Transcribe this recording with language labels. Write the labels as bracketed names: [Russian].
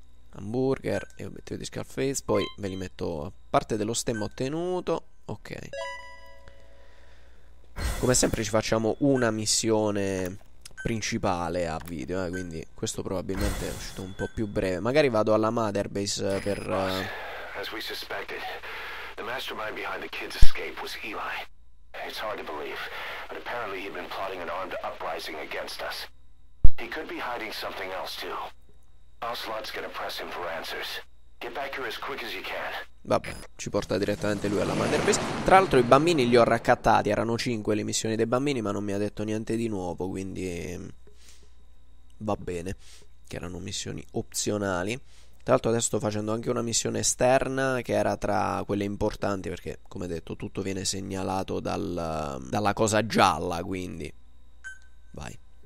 [Italian] Hamburger, e obiettivo di Scarface, poi ve li metto a parte dello stemma ottenuto, ok. Come sempre ci facciamo una missione principale a video, quindi questo probabilmente è uscito un po' più breve. Magari vado alla Mother Base per... [English] As we suspected, the mastermind behind the kids' escape was Eli. It's hard to believe, but apparently he'd been plotting an armed uprising against us. He could be hiding something else too. Ocelot's gonna press him for answers. Get back here as quick as you can. [Italian] Vabbè, ci porta direttamente lui alla Mother Base. Tra l'altro i bambini li ho raccattati, erano 5 le missioni dei bambini, ma non mi ha detto niente di nuovo, quindi va bene che erano missioni opzionali. Tra l'altro adesso sto facendo anche una missione esterna che era tra quelle importanti, perché come detto tutto viene segnalato dalla cosa gialla, quindi vai.